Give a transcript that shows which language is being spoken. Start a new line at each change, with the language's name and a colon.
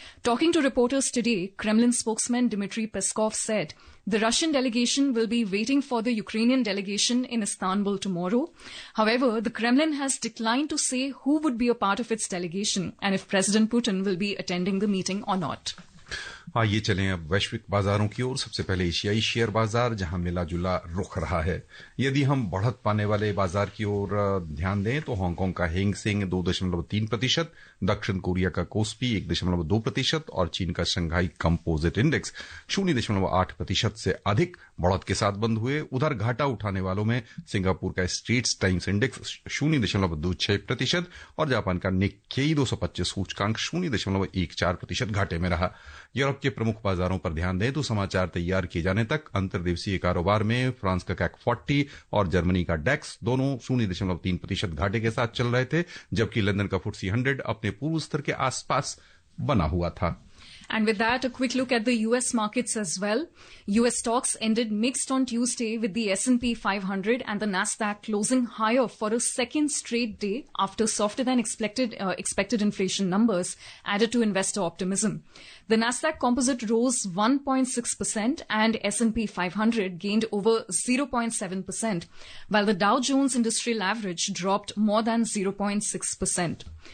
English: Talking to reporters today, Kremlin spokesman Dmitry Peskov said the Russian delegation will be waiting for the Ukrainian delegation in Istanbul tomorrow. However, the Kremlin has declined to say who would be a part of its delegation and if President Putin will be attending the meeting or not.
Hindi: आइए चलें अब वैश्विक बाजारों की ओर. सबसे पहले एशियाई share बाजार, जहां मिला जुला रुख रहा है. यदि हम बढ़त पाने वाले बाजार की ओर ध्यान दें तो हांगकांग का हेंगसेंग 2.3%, दक्षिण कोरिया का कोस्पी 1.2% और चीन का शंघाई कंपोजिट इंडेक्स 0.8% से अधिक बढ़त के साथ बंद हुए. उधर घाटा उठाने वालों में सिंगापुर का स्ट्रीट्स टाइम्स इंडेक्स 0.26% और जापान का निक्केई 225 सूचकांक 0.14% घाटे में रहा. यूरोप के प्रमुख बाजारों पर ध्यान दें तो समाचार तैयार किए जाने तक अंतर्दिवसीय कारोबार में फ्रांस का कैक 40 और जर्मनी का डैक्स दोनों 0.3% घाटे के साथ चल रहे थे, जबकि लंदन का फुटसी 100 अपने पूर्व स्तर के आसपास बना हुआ था.
English: And with that, a quick look at the US markets as well. US stocks ended mixed on Tuesday with the S&P 500 and the Nasdaq closing higher for a second straight day after softer than expected inflation numbers added to investor optimism. The Nasdaq composite rose 1.6% and S&P 500 gained over 0.7%, while the Dow Jones Industrial Average dropped more than 0.6%.